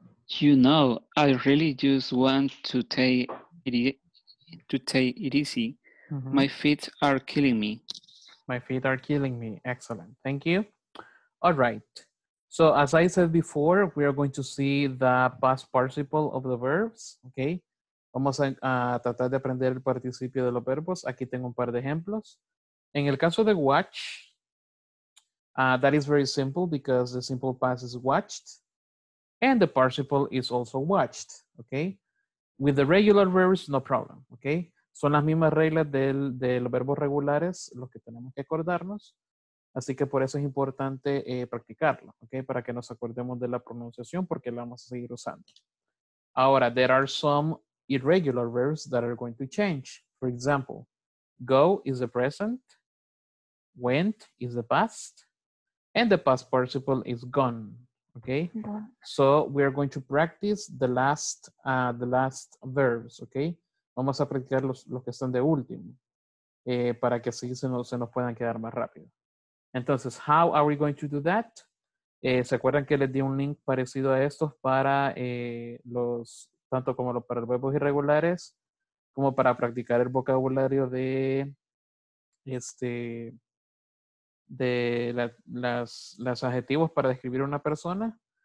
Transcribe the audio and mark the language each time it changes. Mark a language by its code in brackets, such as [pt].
[en] You know, I really just want to take it easy. Mm-hmm. My feet are killing me. Excellent. Thank you. All right. So as I said before, we are going to see the past participle of the verbs. Okay. [es] Vamos a tratar de aprender el participio de los verbos. Aquí tengo un par de ejemplos. En el caso de watch, [en] that is very simple because the simple past is watched and the participle is also watched, okay? With the regular verbs, no problem, okay? [es] Son las mismas reglas de los verbos regulares lo que tenemos que acordarnos. Así que por eso es importante practicarlo, okay? Para que nos acordemos de la pronunciación porque la vamos a seguir usando. Ahora, [en] there are some irregular verbs that are going to change. For example, go is the present, went is the past, and the past participle is gone, okay? Yeah. So we are going to practice the last verbs, okay? [es] Vamos a practicar los que están de último para que así se nos puedan quedar más rápido. [en] Entonces, how are we going to do that? [es] ¿Se acuerdan que les di un link parecido a estos para los, tanto como para los verbos irregulares, como para practicar el vocabulario de las adjetivos para describir una persona?